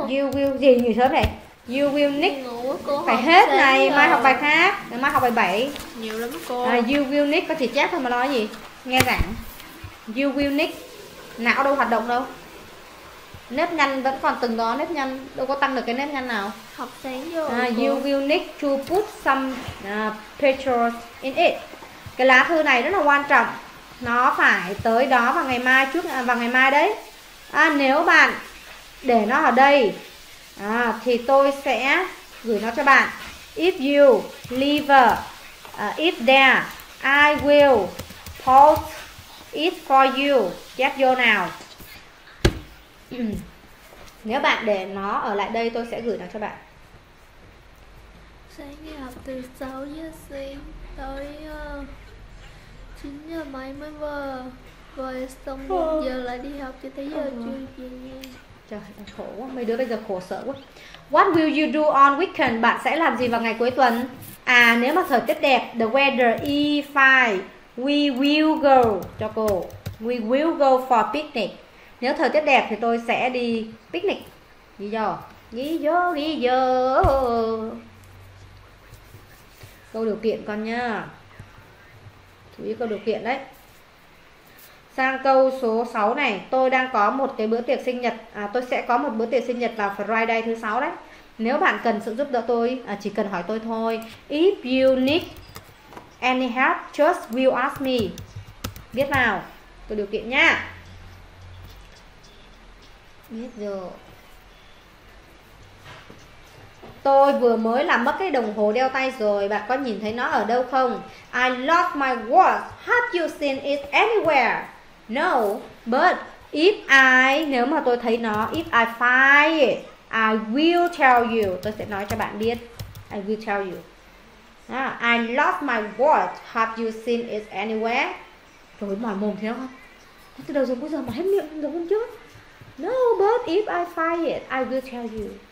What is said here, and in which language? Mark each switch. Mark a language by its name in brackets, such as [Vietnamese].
[English] You will [Vietnamese] gì nhỉ sớm này? [English] You will need. [Vietnamese] Ngủ cô. Phải hết này, rồi. Mai học bài khác. Ngày mai học bài 7. Nhiều lắm cô. [English] You will need [Vietnamese] có chỉ chép thôi mà nói gì? Nghe giảng. You will need. Não đâu hoạt động đâu. Nếp nhăn vẫn còn từng đó, nếp nhăn đâu có tăng được cái nếp nhăn nào. Học sáng vô. [English] You will need to put some pictures in it. [Vietnamese] Cái lá thư này rất là quan trọng. Nó phải tới đó vào ngày mai trước vào ngày mai đấy. Nếu bạn để nó ở đây thì tôi sẽ gửi nó cho bạn. [English] If you leave it there, I will post it for you. [Vietnamese] Chép vô nào. Nếu bạn để nó ở lại đây tôi sẽ gửi nó cho bạn. Sáng ngày học từ 6 giờ sáng tới 9 giờ mấy mới vừa. Rồi xong 1 giờ lại đi học cho tới giờ chưa về nhà. Trời, khổ quá, mấy đứa bây giờ khổ sở quá. [English] What will you do on weekend? [Vietnamese] Bạn sẽ làm gì vào ngày cuối tuần? À, nếu mà thời tiết đẹp, [English] the weather is fine, we will go. [Vietnamese] Cho cô. [English] We will go for picnic. [Vietnamese] Nếu thời tiết đẹp thì tôi sẽ đi picnic. Ghi vô. Ghi vô, ghi vô. Câu điều kiện con nha. Chú ý câu điều kiện đấy. Sang câu số 6 này, tôi đang có một cái bữa tiệc sinh nhật. Tôi sẽ có một bữa tiệc sinh nhật vào Friday thứ 6 đấy. Nếu bạn cần sự giúp đỡ tôi, chỉ cần hỏi tôi thôi. [English] If you need any help, just will ask me. [Vietnamese] Biết nào, tôi điều kiện nha. Biết rồi. Tôi vừa mới làm mất cái đồng hồ đeo tay rồi, bạn có nhìn thấy nó ở đâu không? [English] I lost my watch, have you seen it anywhere? No, but if I, [Vietnamese] nếu mà tôi thấy nó, [English] if I find it, I will tell you. [Vietnamese] Tôi sẽ nói cho bạn biết. [English] I will tell you. I lost my watch, have you seen it anywhere? [Vietnamese] Trời ơi, mỏi mồm thế không? Từ đầu giờ bây giờ mà hết miệng giống hôm trước. [English] No, but if I find it, I will tell you.